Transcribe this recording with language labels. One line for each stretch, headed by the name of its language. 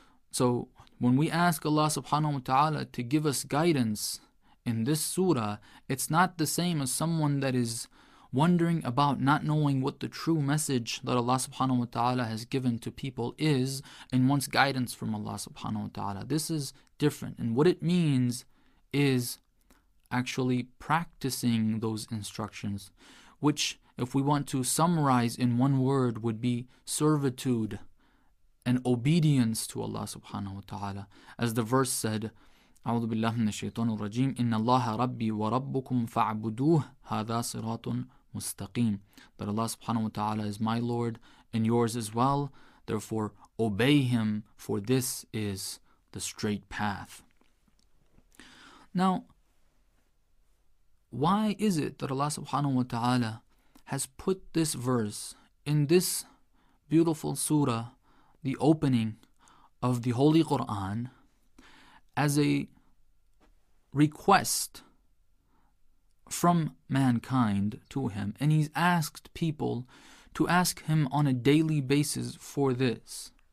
English: So when we ask Allah subhanahu wa ta'ala to give us guidance in this surah, it's not the same as someone that is wondering about not knowing what the true message that Allah subhanahu wa ta'ala has given to people is and wants guidance from Allah subhanahu wa ta'ala. This is different. And what it means is actually practicing those instructions, which if we want to summarize in one word would be servitude and obedience to Allah subhanahu wa ta'ala. As the verse said,
Arabic: أعوذ بالله من الشيطان الرجيم إن الله ربي وربكم فاعبدوه هذا صراط مستقيم.
English: That Allah subhanahu wa ta'ala is my Lord and yours as well. Therefore, obey Him, for this is the straight path. Now, why is it that Allah subhanahu wa ta'ala has put this verse in this beautiful surah, the opening of the Holy Quran, as a request from mankind to Him, and He's asked people to ask Him on a daily basis for this?